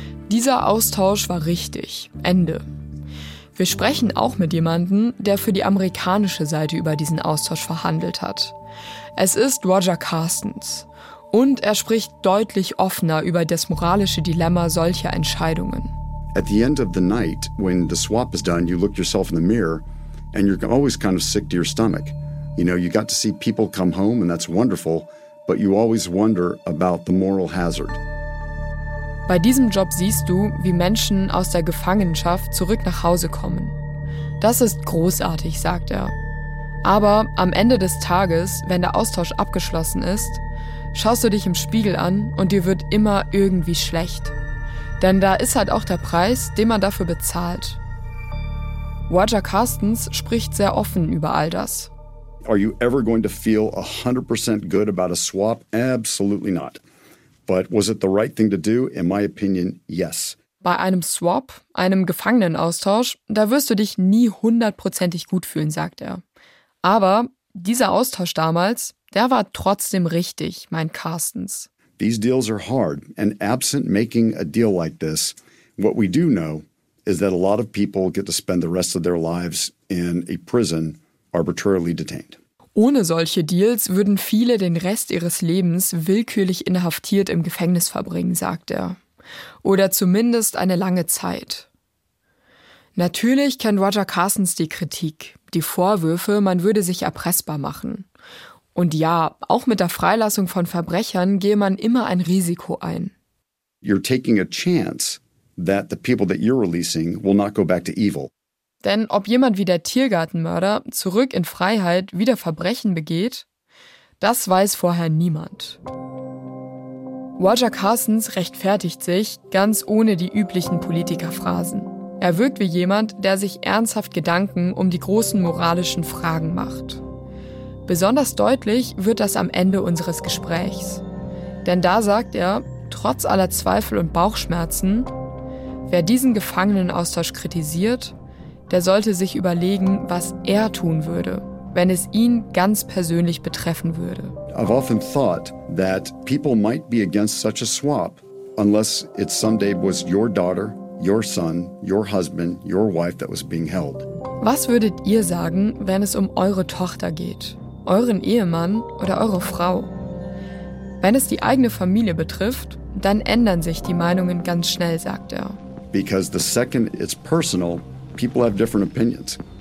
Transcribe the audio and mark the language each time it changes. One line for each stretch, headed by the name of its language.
German: Dieser Austausch war richtig. Ende. Wir sprechen auch mit jemandem, der für die amerikanische Seite über diesen Austausch verhandelt hat. Es ist Roger Carstens. Und er spricht deutlich offener über das moralische Dilemma solcher Entscheidungen.
English: At the end of the night, when the swap is done, you look yourself in the mirror and you're always kind of sick to your stomach. You know, you got to see people come home and that's wonderful, but you always wonder about the moral hazard.
German: Bei diesem Job siehst du, wie Menschen aus der Gefangenschaft zurück nach Hause kommen. Das ist großartig, sagt er. Aber am Ende des Tages, wenn der Austausch abgeschlossen ist, schaust du dich im Spiegel an und dir wird immer irgendwie schlecht. Denn da ist halt auch der Preis, den man dafür bezahlt. Roger Carstens spricht sehr offen über all das.
English: Are you ever going to feel 100% good about a swap? Absolutely not. But was it the right thing to do? In my opinion, yes.
German: Bei einem Swap, einem Gefangenenaustausch, da wirst du dich nie hundertprozentig gut fühlen, sagt er. Aber dieser Austausch damals, der war trotzdem richtig, meint Carstens.
English: These deals are hard, and absent making a deal like this, what we do know is that a lot of people get to spend the rest of their lives in a prison, arbitrarily detained.
German: Ohne solche Deals würden viele den Rest ihres Lebens willkürlich inhaftiert im Gefängnis verbringen, sagt er. Oder zumindest eine lange Zeit. Natürlich kennt Roger Carstens die Kritik, die Vorwürfe, man würde sich erpressbar machen. Und ja, auch mit der Freilassung von Verbrechern gehe man immer ein Risiko ein.
English: You're taking a chance that the people that you're releasing will not go back to evil.
German: Denn ob jemand wie der Tiergartenmörder zurück in Freiheit wieder Verbrechen begeht, das weiß vorher niemand. Roger Carstens rechtfertigt sich ganz ohne die üblichen Politikerphrasen. Er wirkt wie jemand, der sich ernsthaft Gedanken um die großen moralischen Fragen macht. Besonders deutlich wird das am Ende unseres Gesprächs. Denn da sagt er, trotz aller Zweifel und Bauchschmerzen, wer diesen Gefangenenaustausch kritisiert, der sollte sich überlegen, was er tun würde, wenn es ihn ganz persönlich betreffen würde.
English: I've often thought that people might be against such a swap, unless it someday was your daughter, your son, your husband, your wife that was being held.
German: Was würdet ihr sagen, wenn es um eure Tochter geht, euren Ehemann oder eure Frau? Wenn es die eigene Familie betrifft, dann ändern sich die Meinungen ganz schnell, sagt er.
English: Because the second it's personal, people have different opinions.